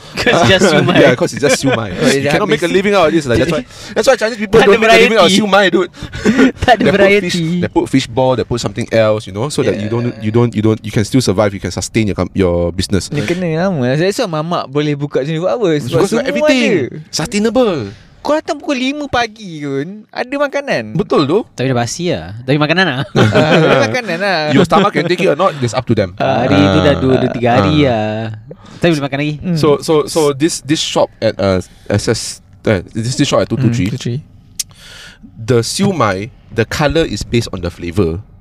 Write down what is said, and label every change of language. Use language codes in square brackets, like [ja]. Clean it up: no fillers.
[en] Because it's just siumai. You cannot make a living out of this. That's why Chinese people don't make a living out of siumai, dude. They put fish ball, they put something else, you know, so that you don't you can still survive, you can sustain your business. [ms] Ni kena lama. [en] That's why [ms] mamak boleh buka sini buat apa? [en] Because everything sustainable. [ms] Kau datang pukul 5 pagi pun ada makanan. Betul tu. Tapi dah basi lah. Tapi makanan lah. Makanan lah. [en] Your stomach can take it or not, it's up to them. [ms] Hari tu dah 2-3 hari lah. Tapi boleh makan lagi. [en] So this shop at SS this shop at 223 the siumai, the colour is based on the flavour.